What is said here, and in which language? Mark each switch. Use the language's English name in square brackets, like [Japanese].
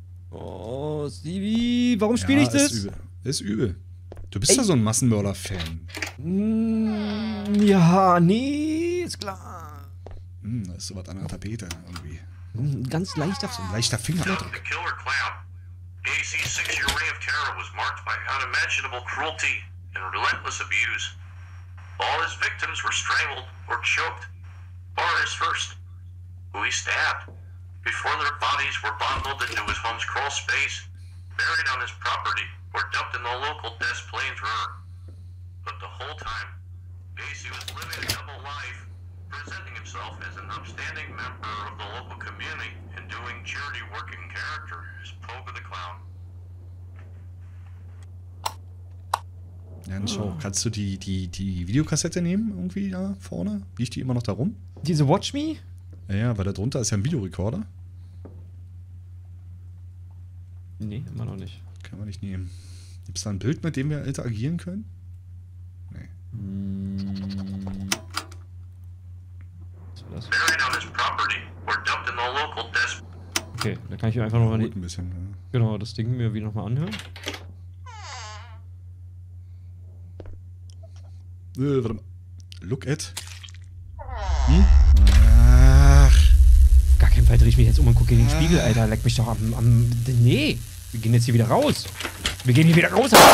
[German] Oh, Stevie, warum spiele ich das? Ist übel. Ist übel. Du bist ja so ein Massenmörder-Fan. Ja, nee, ist klar. Da ist sowas an der Tapete irgendwie. Ganz leichter, so ein leichter Fingerabdruck. [English] The killer clown. AC6-year Reign of Terror was marked by unimaginable cruelty and relentless abuse. All his victims were strangled or choked. Boris first, who he stabbed. Before their bodies were bundled into his home's crawl space, buried on his property, or dumped in the local Des Plaines River. But the whole time, Gacy was living a double life, presenting himself as an upstanding member of the local community and doing charity work in character as Pogo the Clown. [German] Ja, so, kannst du die Videokassette nehmen, irgendwie da vorne? Liegt die immer noch da rum? Diese Watch Me? Ja, ja, weil da drunter ist ja ein Videorekorder. Nee, immer noch nicht. Kann man nicht nehmen. Gibt es da ein Bild, mit dem wir interagieren können? [English] Buried on his property or dumped in the local des. [German] Okay, da kann ich einfach nochmal ein bisschen. Ja. Genau, das Ding mir wieder nochmal anhören. Warte mal. Look at. Ach. Gar kein Fall, dreh ich mich jetzt um und gucke in den Spiegel, Alter. Leck mich doch am. Nee. Wir gehen jetzt hier wieder raus. Wir gehen hier wieder raus.